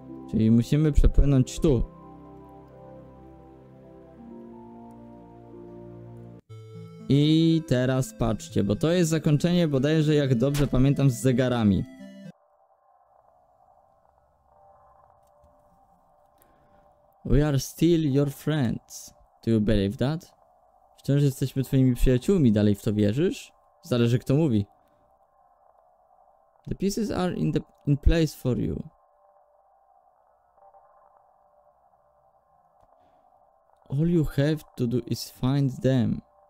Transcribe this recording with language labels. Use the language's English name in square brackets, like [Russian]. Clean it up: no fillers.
[Polish] Czyli musimy przepłynąć tu. I teraz patrzcie, bo to jest zakończenie bodajże, jak dobrze pamiętam, z zegarami. [English] We are still your friends. Do you believe that? [Polish] Wciąż jesteśmy twoimi przyjaciółmi, dalej w to wierzysz? Zależy, kto mówi. [English] The pieces are in place for you. All you have to do is find them.